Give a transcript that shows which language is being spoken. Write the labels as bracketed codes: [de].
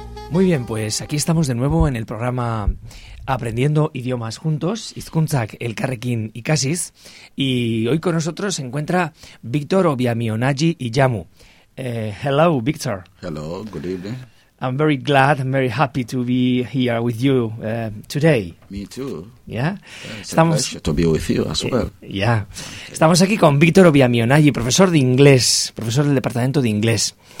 [es] Muy bien, pues aquí estamos de nuevo en el programa Aprendiendo Idiomas Juntos, Hizkuntzak Elkarrekin Ikasiz, y hoy con nosotros se encuentra Víctor Obiamionagi Iyamu. [en] Hello, Víctor. Hello, good evening. I'm very glad, I'm very happy to be here with you today. Me too. Yeah? Estamos, it's a pleasure to be with you as well. Yeah. [es] Estamos aquí con Víctor Obiamionagi, profesor de inglés, profesor del departamento de inglés.